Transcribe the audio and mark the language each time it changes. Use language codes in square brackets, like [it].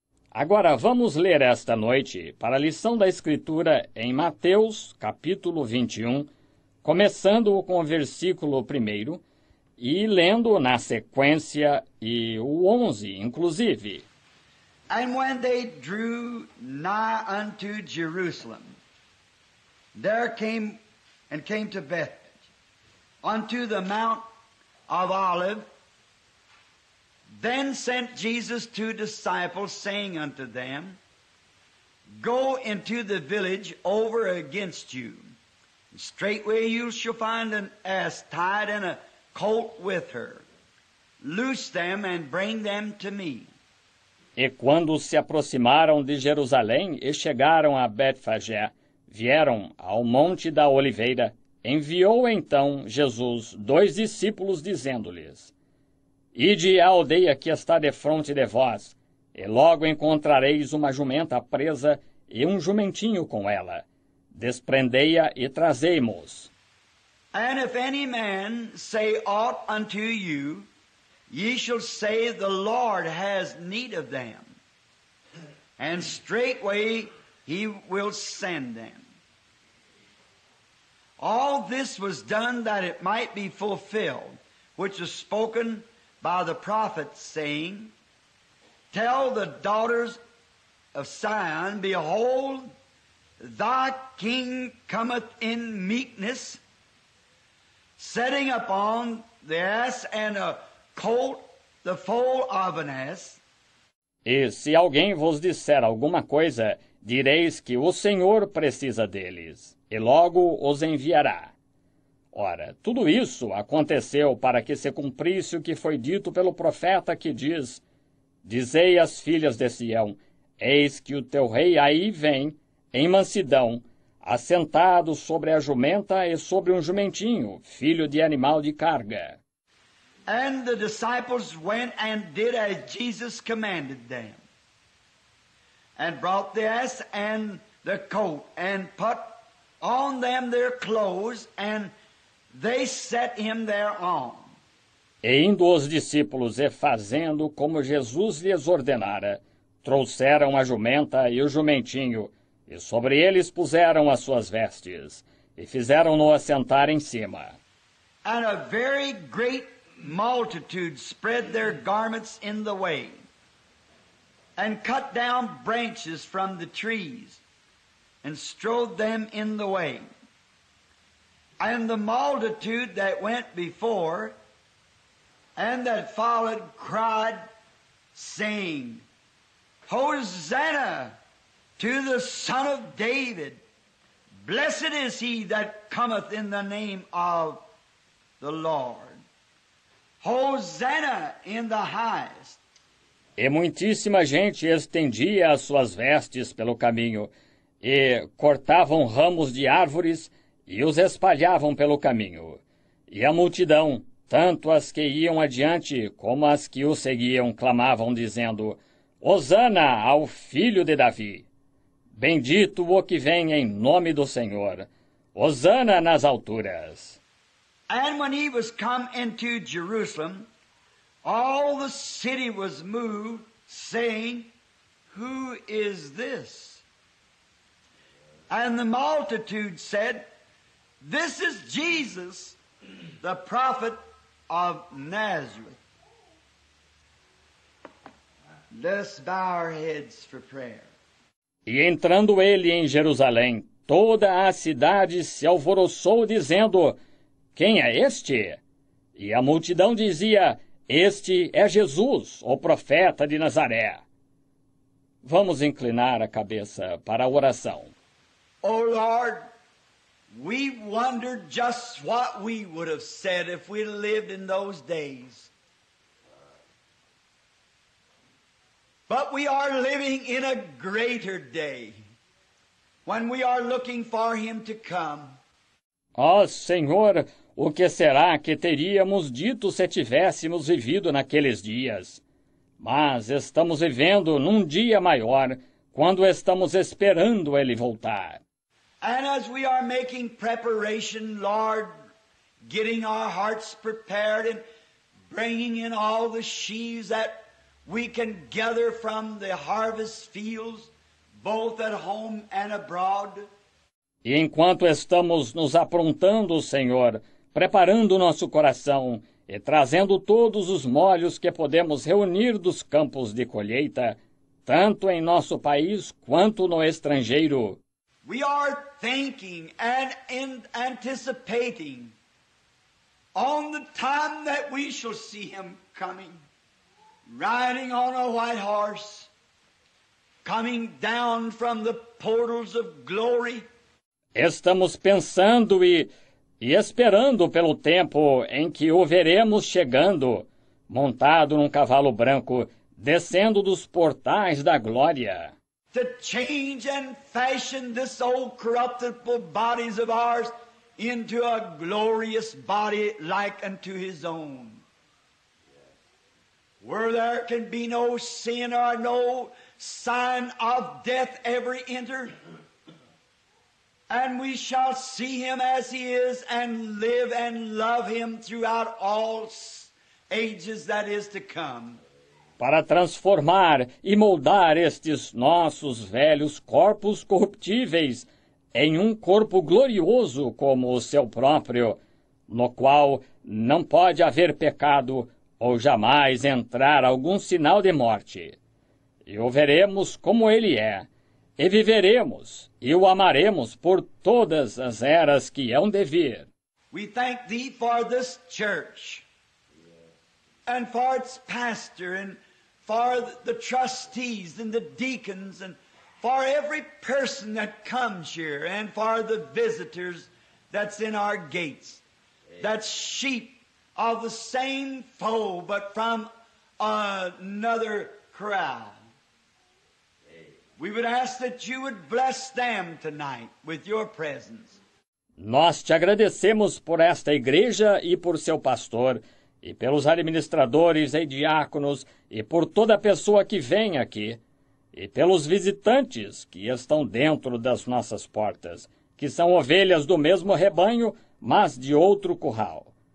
[pt] Agora vamos ler esta noite para a lição da escritura em Mateus, capítulo 21, começando com o versículo 1 e lendo na sequência e o 11, inclusive. [en] And when they drew nigh unto Jerusalem, there came and came to Bethphage, unto the Mount of Olives, then sent Jesus two disciples, saying unto them, Go into the village over against you. Straightway you shall find an ass tied and a colt with her. Loose them and bring them to me. [pt] E quando se aproximaram de Jerusalém e chegaram a Betfagé, vieram ao Monte da Oliveira, enviou então Jesus dois discípulos, dizendo-lhes, Ide à aldeia que está defronte de vós, e logo encontrareis uma jumenta presa e um jumentinho com ela. Desprendei-a e trazei-mos. [en] And if any man say aught unto you, ye shall say the Lord has need of them. And straightway he will send them. All this was done that it might be fulfilled, which was spoken by the prophet, saying, Tell the daughters of Sion, behold, Thy king cometh in meekness, setting upon the ass and a colt the foal of an ass. [pt] E se alguém vos disser alguma coisa, direis que o Senhor precisa deles, e logo os enviará. Ora, tudo isso aconteceu para que se cumprisse o que foi dito pelo profeta que diz, Dizei às filhas de Sião, eis que o teu rei aí vem, em mansidão, assentado sobre a jumenta e sobre um jumentinho, filho de animal de carga. [en] And the disciples went and did as Jesus commanded them, and brought the ass and the coat, and put on them their clothes, and they set him thereon. [pt] E indo os discípulos e fazendo como Jesus lhes ordenara, trouxeram a jumenta e o jumentinho, e sobre eles puseram as suas vestes, e fizeram-no assentar em cima. [en] And a very great multitude spread their garments in the way, and cut down branches from the trees, and strode them in the way. And the multitude that went before, and that followed, cried, saying, Hosanna! To the Son of David, blessed is he that cometh in the name of the Lord. Hosanna in the highest. [pt] E muitíssima gente estendia as suas vestes pelo caminho e cortavam ramos de árvores e os espalhavam pelo caminho. E a multidão, tanto as que iam adiante como as que o seguiam, clamavam dizendo: Hosanna ao filho de Davi! Bendito o que vem em nome do Senhor! Hosanna nas alturas! [en] And when he was come into Jerusalem, all the city was moved, saying, Who is this? And the multitude said, This is Jesus, the prophet of Nazareth. Let's bow our heads for prayer. [pt] E entrando ele em Jerusalém, toda a cidade se alvoroçou, dizendo, Quem é este? E a multidão dizia, Este é Jesus, o profeta de Nazaré. Vamos inclinar a cabeça para a oração. [en] Oh, Lord, we wondered just what we would have said if we lived in those days. But we are living in a greater day when we are looking for him to come. [pt] Oh, Senhor, o que será que teríamos dito se tivéssemos vivido naqueles dias? Mas estamos vivendo num dia maior, quando estamos esperando ele voltar. [en] And as we are making preparation, Lord, getting our hearts prepared and bringing in all the sheaves that we can gather from the harvest fields, both at home and abroad. [pt] E enquanto estamos nos aprontando, Senhor, preparando o nosso coração e trazendo todos os molhos que podemos reunir dos campos de colheita, tanto em nosso país quanto no estrangeiro. [en] We are thinking and anticipating on the time that we shall see him coming, riding on a white horse, coming down from the portals of glory. [pt] Estamos pensando e esperando pelo tempo em que o veremos chegando, montado num cavalo branco, descendo dos portais da glória. [en] To change and fashion this old corruptible bodies of ours into a glorious body like unto his own. Where there can be no sin or no sign of death ever enter. And we shall see him as he is and live and love him throughout all ages that is to come. [pt] Para transformar e moldar estes nossos velhos corpos corruptíveis em um corpo glorioso como o seu próprio, no qual não pode haver pecado ou jamais entrar algum sinal de morte. E o veremos como ele é. E viveremos e o amaremos por todas as eras que hão de vir. [en] We thank thee for this church and for its pastor and for the trustees and the deacons and for every person that comes here and for the visitors that's in our gates. That's sheep of the same fold but from another crowd. We would ask that you would bless them tonight with your presence. [pt] Nós te agradecemos por esta igreja e por seu pastor, e pelos administradores e diáconos, e por toda pessoa que vem aqui, e pelos visitantes que estão dentro das nossas portas, que são ovelhas do mesmo rebanho, mas de outro curral.